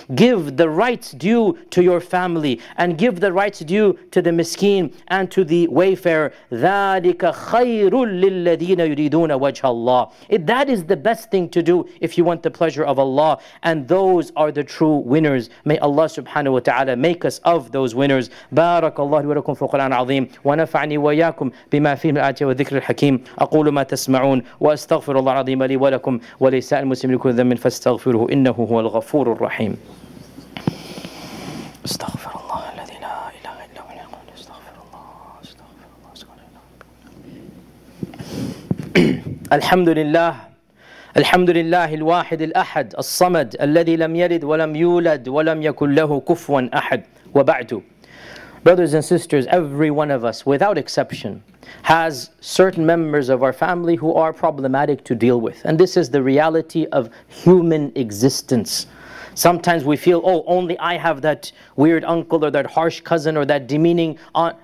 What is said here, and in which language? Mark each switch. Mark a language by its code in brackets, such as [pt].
[en] Give the rights due to your family and give the rights due to the miskeen and to the wayfarer. [ar] ذَلِكَ خَيْرٌ لِلَّذِينَ يُرِيدُونَ وَجْهَ اللَّهِ. [en] That is the best thing to do if you want the pleasure of Allah. And those are the true winners. May Allah subhanahu wa ta'ala make us of those winners. [ar] بارك الله لي ولكم في القرآن العظيم ونفعني وإياكم بما فيه من الآيات والذكر الحكيم أقول ما تسمعون وأستغفر الله العظيم لي ولكم ولسائر المسلمين لكل ذنب فاستغفروه إنه هو الغفور الرحيم. استغفر الله الذي لا إله إلا هو يقول استغفر الله استغفر الله. الحمد لله الحمد لله الواحد الأحد الصمد الذي لم يلد ولم يولد ولم يكن له كفوا أحد وبعد. [en] Brothers and sisters, every one of us, without exception, has certain members of our family who are problematic to deal with. And this is the reality of human existence. Sometimes we feel, oh, only I have that weird uncle or that harsh cousin or that demeaning aunt.